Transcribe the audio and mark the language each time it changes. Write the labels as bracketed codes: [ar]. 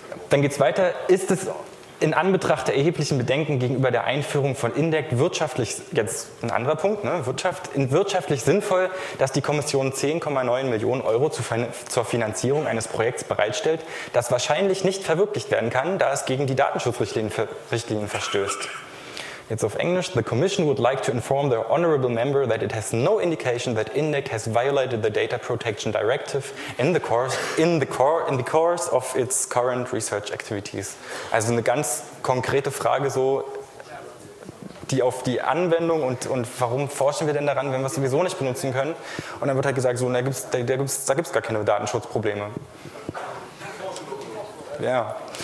[de] Dann geht es weiter. Ist es in Anbetracht der erheblichen Bedenken gegenüber der Einführung von INDEC wirtschaftlich, jetzt ein anderer Punkt, ne, wirtschaftlich sinnvoll, dass die Kommission 10,9 Millionen Euro zur Finanzierung eines Projekts bereitstellt, das wahrscheinlich nicht verwirklicht werden kann, da es gegen die Datenschutzrichtlinien verstößt? Jetzt auf Englisch: [en] The Commission would like to inform the Honorable Member that it has no indication that INDEC has violated the Data Protection Directive in the course of its current research activities. [de] Also eine ganz konkrete Frage, so, die auf die Anwendung und warum forschen wir denn daran, wenn wir es sowieso nicht benutzen können? Und dann wird halt gesagt, so, da gibt's gar keine Datenschutzprobleme. Ja. Yeah.